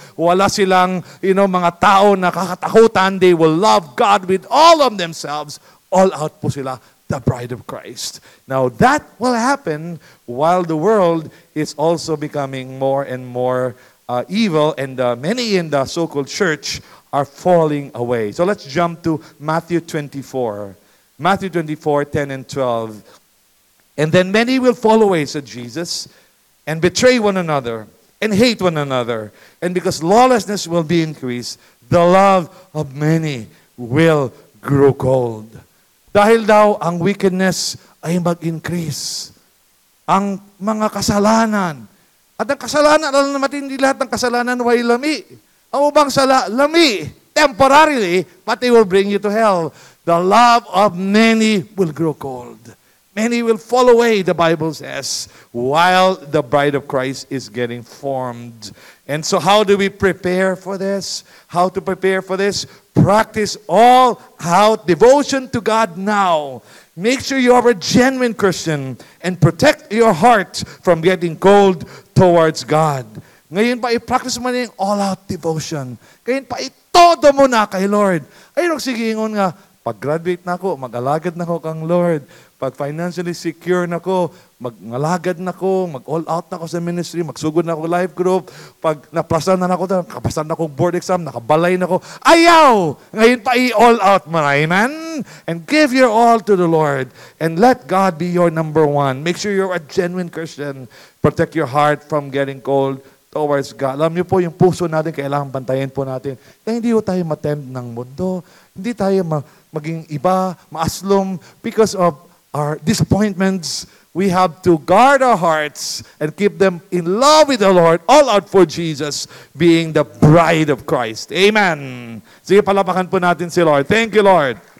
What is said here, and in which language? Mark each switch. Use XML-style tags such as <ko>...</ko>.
<tl>Wala silang,</tl> <en>you know,</en> <tl>mga tao na kakatakutan.</tl> <en>They will love God with all of themselves. All out po sila, the bride of Christ. Now, that will happen while the world is also becoming more and more evil. And many in the so-called church are falling away. So, let's jump to Matthew 24. Matthew 24, 10 and 12. And then many will fall away, said Jesus, and betray one another, and hate one another. And because lawlessness will be increased, the love of many will grow cold.</en> <tl>Dahil daw ang wickedness ay mag-increase. Ang mga kasalanan. At ang kasalanan, alam naman hindi lahat ng kasalanan ay lami.</tl> <ceb>Ang ubang sala, lami.</ceb> <en>Temporarily, but they will bring you to hell. The love of many will grow cold. Many will fall away, the Bible says, while the bride of Christ is getting formed. And so how do we prepare for this? How to prepare for this? Practice all out devotion to God now. Make sure you are a genuine Christian and protect your heart from getting cold towards God.</en> <tl>Ngayon pa, i-practice mo na yung</tl> <en>all-out devotion.</en> <tl>Ngayon pa, itodo mo na kay Lord.</tl> <ceb>Ayun, sige, ingon nga, pag-graduate na ako, mag-alagad na ako kang Lord. Pag financially secure na ako, mag-alagad na ako, mag-all out na ako sa ministry, magsugod na ako life group. Pag na-plasa na ako, nakapasan na akong board exam, nakabalay na ako, ayaw!</ceb> <tl>Ngayon pa, i-all out mo na, amen?</tl> <en>And give your all to the Lord. And let God be your number one. Make sure you're a genuine Christian. Protect your heart from getting cold towards God.</en> <tl>Alam niyo po, yung puso natin, kailangan bantayin po natin. Eh, hindi po tayo matend ng mundo. Hindi tayo maging iba, maaslom,</tl> <en>because of our disappointments. We have to guard our hearts and keep them in love with the Lord, all out for Jesus, being the bride of Christ. Amen.</en> <tl>Sige, palapakan po natin si Lord.</tl> <en>Thank you, Lord.</en>